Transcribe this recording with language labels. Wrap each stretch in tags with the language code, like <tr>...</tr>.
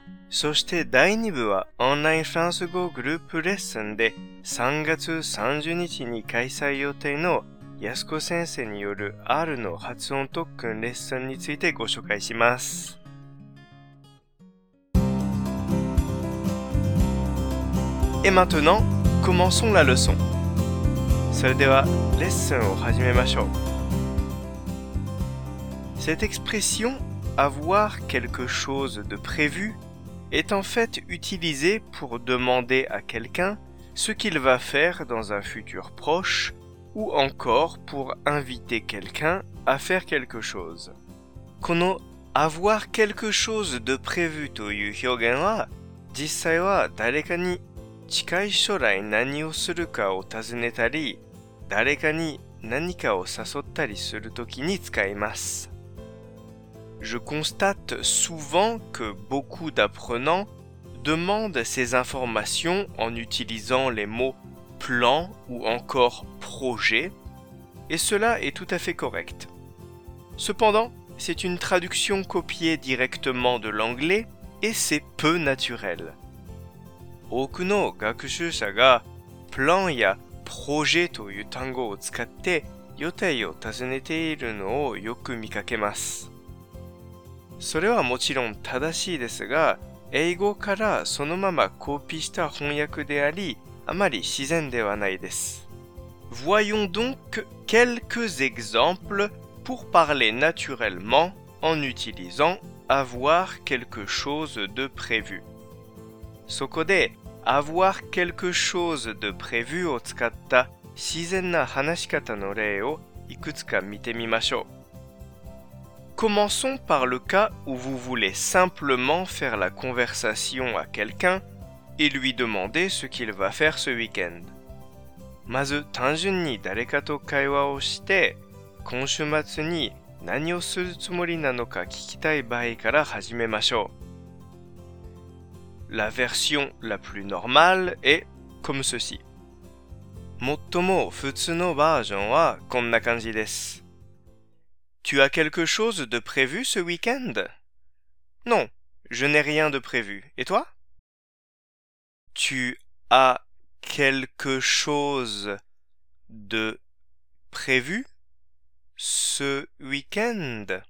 <ja>そして第2部はオンラインフランス語グループレッスンで3月30日に開催予定の安子先生による R の発音特訓レッスンについてご紹介します。</ja> <fr>Et maintenant? Commençons la leçon.</fr> <ja>それでは、レッスンを始めましょう。</ja> <fr>Cette expression « avoir quelque chose de prévu » est en fait utilisée pour demander à quelqu'un ce qu'il va faire dans un futur proche ou encore pour inviter quelqu'un à faire quelque chose.</fr> <ja>この</ja> <fr>「avoir quelque chose de prévu」</fr> <ja>という表現は、実際は誰かに近い将来何をするかを尋ねたり、誰かに何かを誘ったりするときに使います。</ja> <fr>Je constate souvent que beaucoup d'apprenants demandent ces informations en utilisant les mots plan ou encore projet, et cela est tout à fait correct. Cependant, c'est une traduction copiée directement de l'anglais et c'est peu naturel.</fr> <ja>多くの学習者が「プラン」や「プロジェ」という単語を使って予定を尋ねているのをよく見かけます。それはもちろん正しいですが、英語からそのままコピーした翻訳であり、あまり自然ではないです。</ja> <fr>Voyons donc quelques exemples pour parler naturellement en utilisant « avoir quelque chose de prévu ».</fr> <ja>そこで、</ja> <fr>avoir quelque chose de prévu</fr> <ja>を使った自然な話し方の例をいくつか見てみましょう。</ja> <fr>Commençons par le cas où vous voulez simplement faire la conversation à quelqu'un et lui demander ce qu'il va faire ce week-end.</fr> <ja>まず、単純に誰かと会話をして、今週末に何をするつもりなのか聞きたい場合から始めましょう。</ja> <fr>La version la plus normale est comme ceci.</fr> <ja>最も普通のバージョンはこんな感じです。</ja> <fr>Tu as quelque chose de prévu ce week-end? Non, je n'ai rien de prévu. Et toi? Tu as quelque chose de prévu ce week-end?</fr>